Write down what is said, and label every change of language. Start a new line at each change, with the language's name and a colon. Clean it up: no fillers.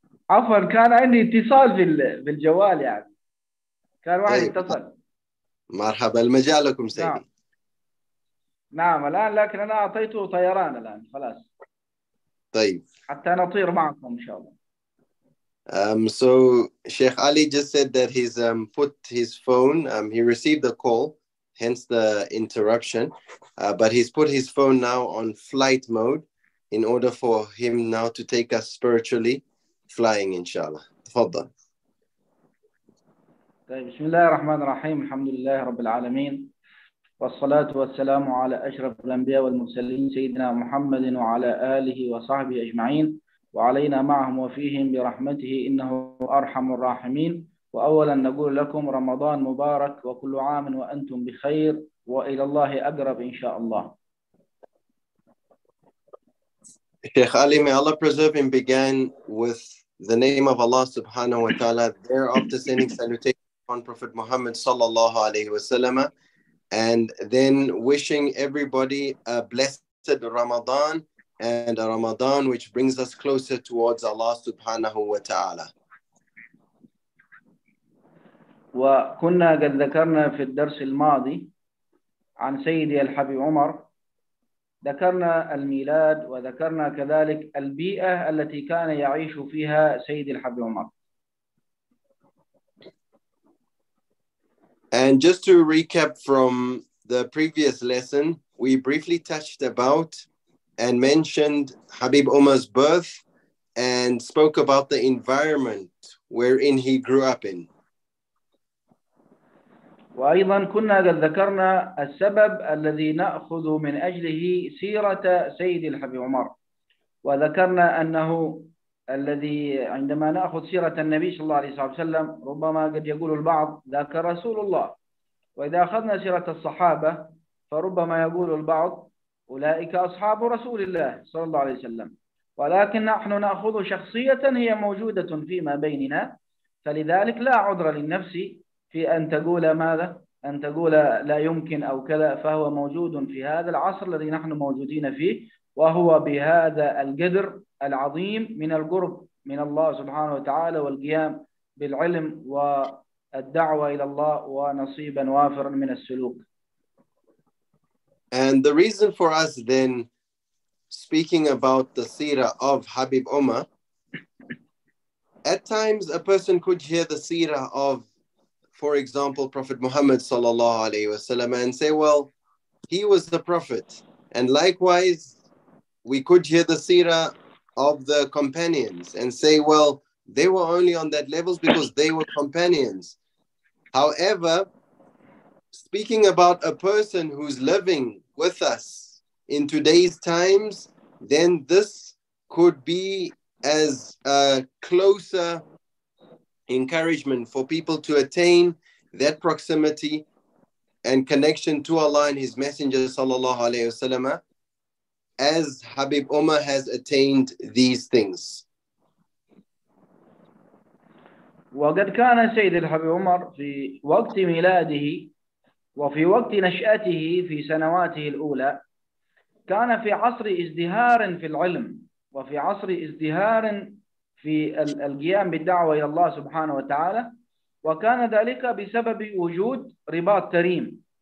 Arabic: عفوا كان عندي اتصال بالجوال يعني كان واحد اتصل مرحبا المجال لكم سيدي نعم الان لكن انا اعطيته طيران الان خلاص طيب حتى نطير معكم ان شاء الله
English: So Sheikh Ali just said that he's put his phone he received the call hence the interruption. But he's put his phone now on flight mode in order for him now to take us spiritually flying, inshallah.
Arabic: Tafadda. Bismillah ar-Rahman ar-Rahim, alhamdulillah, rabbil alameen. Wa salatu wa salamu ala ashraf al-anbiya wal mursaleen, Sayyidina Muhammadin wa ala alihi wa sahbihi ajma'in. وعلينا معهم وفيهم برحمته إنه أرحم الراحمين وأولا نقول لكم رمضان مبارك وكل عام وأنتم بخير وإلى الله أقرب إن شاء الله.
English: Sheikh Ali, may Allah preserve him, began with the name of Allah subhanahu wa ta'ala, thereafter sending salutations on Prophet Muhammad sallallahu alayhi wa sallam, and then wishing everybody a blessed Ramadan, and a Ramadan which brings us closer towards Allah subhanahu wa ta'ala.
Arabic: وكنا قد ذكرنا في الدرس الماضي عن سيدي الحبيب عمر ذكرنا الميلاد وذكرنا كذلك البيئة التي كان يعيش فيها سيدي الحبيب عمر.
English: And just to recap from the previous lesson, we briefly touched about and mentioned Habib Umar's birth and spoke about the environment wherein he grew up in.
Arabic: وايضا كنا قد ذكرنا السبب الذي ناخذ من اجله سيره سيدي الحبيب عمر وذكرنا انه الذي عندما ناخذ سيره النبي صلى الله عليه وسلم ربما قد يقول البعض ذاك رسول الله واذا اخذنا سيره الصحابه فربما يقول البعض أولئك أصحاب رسول الله صلى الله عليه وسلم ولكن نحن نأخذ شخصية هي موجودة فيما بيننا فلذلك لا عذر للنفس في أن تقول ماذا؟ أن تقول لا يمكن أو كذا فهو موجود في هذا العصر الذي نحن موجودين فيه وهو بهذا القدر العظيم من القرب من الله سبحانه وتعالى والقيام بالعلم والدعوة إلى الله ونصيبا وافرا من السلوك.
English: And the reason for us then speaking about the seerah of Habib Umar, at times a person could hear the seerah of, for example, Prophet Muhammad sallallahu alaihi wasallam and say, well, he was the prophet. And likewise, we could hear the seerah of the companions and say, well, they were only on that level because they were companions. However, speaking about a person who's living with us in today's times, then this could be as a closer encouragement for people to attain that proximity and connection to Allah and His Messenger, sallallahu alayhi wa sallam, as Habib Umar has attained these things.
Arabic: وقد كان سيد الحبيب عمر في وقت ميلاده وفي وقت نشأته في سنواته الأولى كان في عصر ازدهار في العلم وفي عصر ازدهار في القيام بالدعوة إلى الله سبحانه وتعالى وكان ذلك بسبب وجود رباط تريم